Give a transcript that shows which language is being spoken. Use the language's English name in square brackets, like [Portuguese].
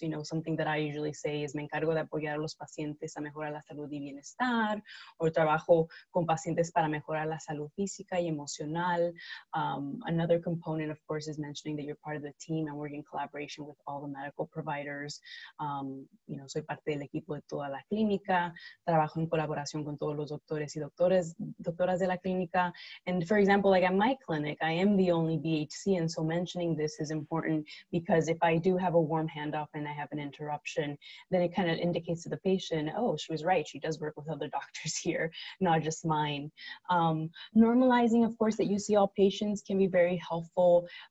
[English] You know, something that I usually say is, [Spanish] me encargo de apoyar a los pacientes a mejorar la salud y bienestar, [English] or [Spanish] trabajo con pacientes para mejorar la salud física y emocional. [English] Another component, of course, is mentioning that you're part of the team and work in collaboration with all the medical providers. [Spanish] You know, soy parte del equipo de toda la clínica. Trabajo en colaboración con todos los doctores y doctoras de la clínica. [English] And for example, like at my clinic, I am the only BHC, and so mentioning this is important, because if I do have a warm handoff and I have an interruption, then it kind of indicates to the patient, oh, she was right, she does work with other doctors here, not just mine. Normalizing, of course, that you see all patients can be very helpful.